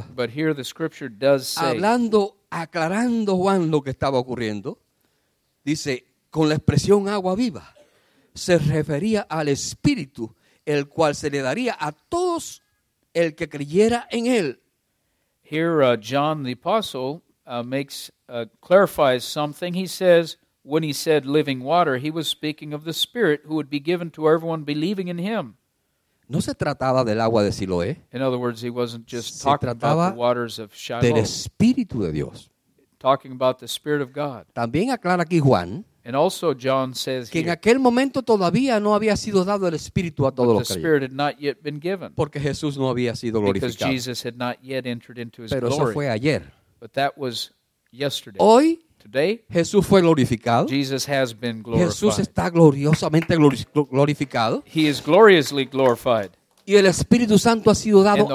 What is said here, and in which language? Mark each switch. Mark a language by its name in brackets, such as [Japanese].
[English] But here the scripture does say. [Spanish] Hablando, aclarando Juan lo que estaba ocurriendo. Dice, con la expresión agua viva. Se refería al Espíritu, el cual se le daría a todos el que creyera en él. [English] Here, John the Apostle clarifies something. He says, when he said living water, he was speaking of the Spirit who would be given to everyone believing in him. [Spanish] No se trataba del agua de Siloé. [English] In other words, he wasn't just talking about the waters of Shiloh. [Spanish] Del Espíritu de Dios. [English] Talking about the Spirit of God. [Spanish] También aclara aquí Juan. [English] And also John says [Spanish] que en aquel momento todavía no había sido dado el Espíritu a todos los creyentes. [English] The Spirit had not yet been given. [Spanish] Porque Jesús no había sido glorificado. [English] Because Jesus had not yet entered into his [Spanish] Pero [English] glory. [Spanish] Pero eso fue ayer. [English] But that was yesterday. [Spanish] Hoy, [English] Today, [Spanish] Jesús fue glorificado. [English] Jesus has been glorified. [Spanish] Jesús está gloriosamente glorificado. [English] He is gloriously glorified. [Spanish] Y el Espíritu Santo ha sido dado